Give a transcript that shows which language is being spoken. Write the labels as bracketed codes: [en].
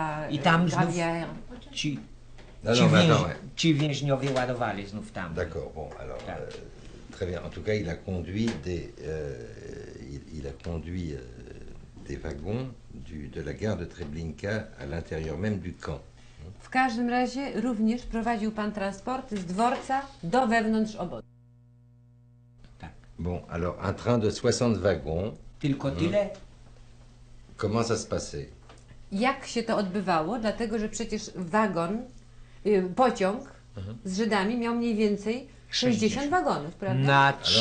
[pl] I tam znów ci więźniowie ładowali znów tam. [fr] D'accord, bon, alors, très bien. En tout cas, il a conduit des, des wagons de la gare de Treblinka à l'intérieur même du camp. [pl] W każdym razie również prowadził pan transport z dworca do wewnątrz obozu. [fr] Bon, alors un train de 60 wagons. [pl] Tylko tyle. [fr] Comment ça se passait? [pl] Jak się to odbywało? Dlatego, że przecież wagon, pociąg z Żydami miał mniej więcej 60 wagonów, prawda?